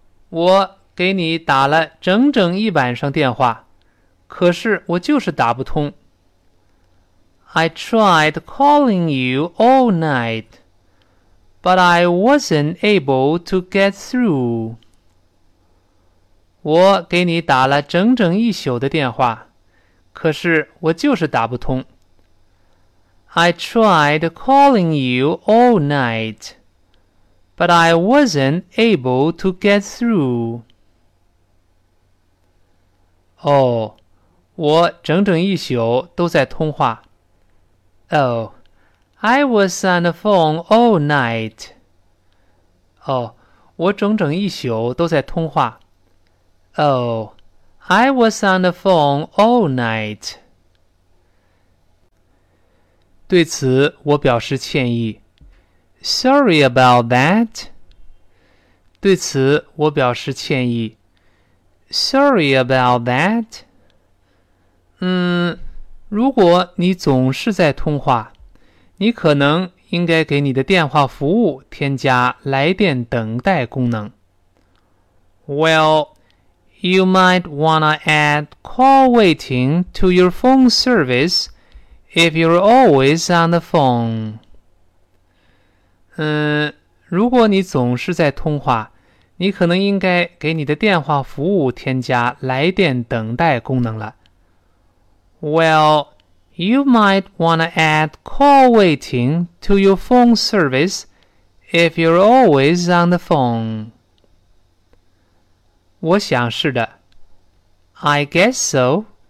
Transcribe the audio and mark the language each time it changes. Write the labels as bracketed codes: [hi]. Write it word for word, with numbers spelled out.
[zh] 我给你打了整整一晚上电话，可是我就是打不通。 [en] I tried calling you all night, but I wasn't able to get through. [zh] 我给你打了整整一宿的电话，可是我就是打不通。 [en] I tried calling you all night, but I wasn't able to get through. [zh] 哦，我整整一宿都在通话。 [en] Oh, I was on the phone all night. [zh] 哦，我整整一宿都在通话。 [en] Oh, I was on the phone all night. [zh] 对此我表示歉意。 [en] Sorry about that. [zh] 对此我表示歉意。 [en] Sorry about that. [zh] 嗯，如果你总是在通话，你可能应该给你的电话服务添加来电等待功能。 [en] Well, you might wanna add call waiting to your phone service. If you're always on the phone. [zh] 嗯，如果你总是在通话，你可能应该给你的电话服务添加来电等待功能了。 [en] Well, you might want to add call waiting to your phone service if you're always on the phone. [zh] 我想是的。 [en] I guess so.